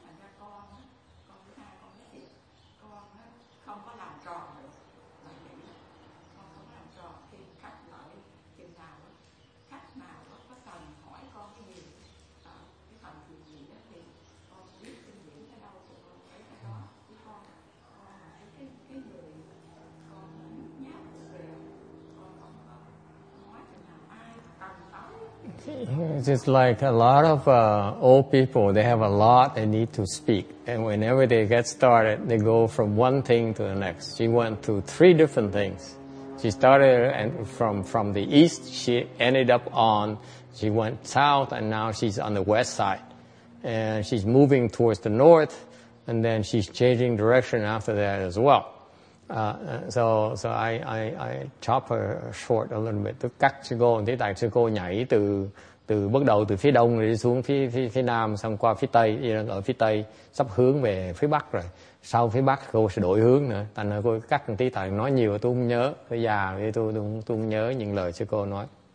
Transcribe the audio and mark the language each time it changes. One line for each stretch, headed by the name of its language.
Vietnamese: Thành ra con thứ hai con biết con không có làm tròn được, mà nghĩ là con không làm tròn khi khách lại chừng nào đó. Khách nào đó có cần hỏi con cái gì đó, cái phần gì gì đó thì con biết xin diễn ở đâu của con ấy cái đó. Chứ con là cái người con nhút nhát về,
English: just like a lot of old people, they have a lot they need to speak, and whenever they get started, they go from one thing to the next. She went through three different things. She started and from the east, she ended up on, she went south, and now she's on the west side, and she's moving towards the north, and then she's changing direction after that as well. So I chop her short a little bit.
Vietnamese: Tôi cắt sư cô, thế tại sư cô nhảy từ bắt đầu từ phía đông rồi xuống phía nam, xong qua phía tây, ở phía tây sắp hướng về phía bắc rồi. Sau phía bắc cô sẽ đổi hướng nữa. Tại nên cô cắt một tí, tại nói nhiều tôi không nhớ, tôi già thì tôi không nhớ những lời sư cô nói.